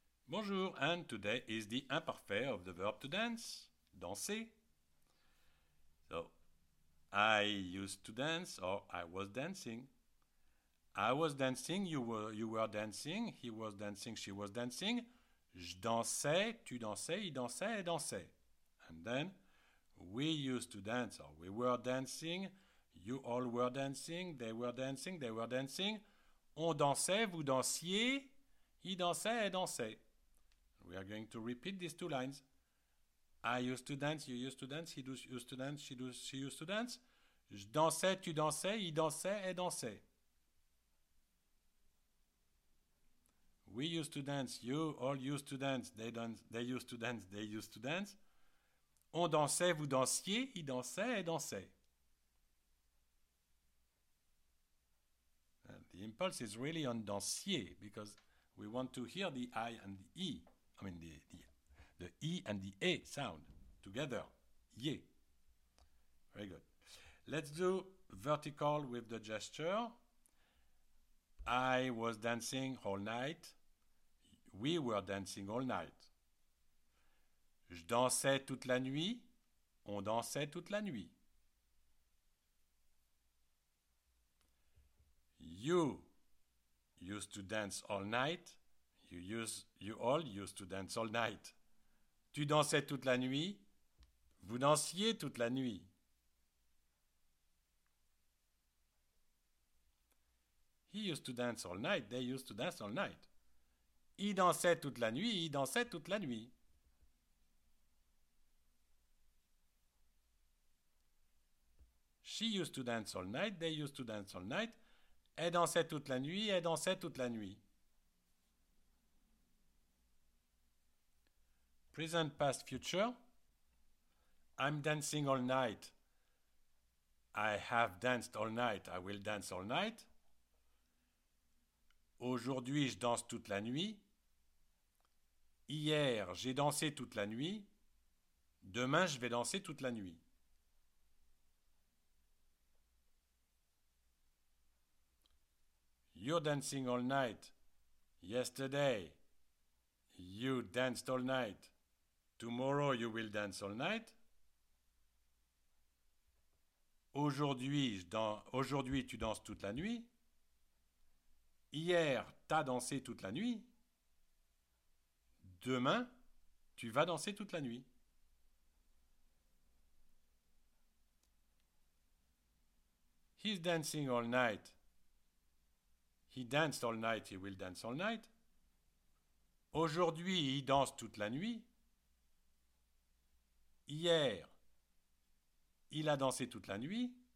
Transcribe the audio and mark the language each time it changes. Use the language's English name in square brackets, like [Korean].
[English] Bonjour, and today is the imparfait of the verb to dance, danser. So, I used to dance or I was dancing. I was dancing, you were dancing, he was dancing, she was dancing. [French] Je dansais, tu dansais, il dansait, elle dansait. [English] And then, we used to dance or we were dancing, you all were dancing, they were dancing, they were dancing. [French] On dansait, vous dansiez, il dansait, elle dansait. [English] We are going to repeat these two lines. I used to dance, you used to dance, he used to dance, she used to dance. [French] Je dansais, tu dansais, il dansait, elle dansait. [English] We used to dance, you all used to dance, they dance, they used to dance, they used to dance. [French] On dansait, vous dansiez, il dansait, elle dansait. [English] And the impulse is really on dansier because we want to hear the I and the E. I mean, the E and the A sound together, ye. Very good. Let's do vertical with the gesture. I was dancing all night. We were dancing all night. [French] Je dansais toute la nuit. On dansait toute la nuit. [English] You used to dance all night. You all used to dance all night. [French] Tu dansais toute la nuit. Vous dansiez toute la nuit. [English] He used to dance all night. They used to dance all night. [French] Il dansait toute la nuit. Il dansait toute la nuit. [English] She used to dance all night. They used to dance all night. [French] Elle dansait toute la nuit. Elle dansait toute la nuit. [English] Present, past, future. I'm dancing all night. I have danced all night. I will dance all night. [French] Aujourd'hui, je danse toute la nuit. Hier, j'ai dansé toute la nuit. Demain, je vais danser toute la nuit. [English] You're dancing all night. Yesterday, you danced all night. Tomorrow, you will dance all night. [French] Aujourd'hui, tu danses toute la nuit. Hier, t'as dansé toute la nuit. Demain, tu vas danser toute la nuit. [English] He's dancing all night. He danced all night, he will dance all night. [French] Aujourd'hui, il danse toute la nuit. Hier, il a dansé toute la nuit.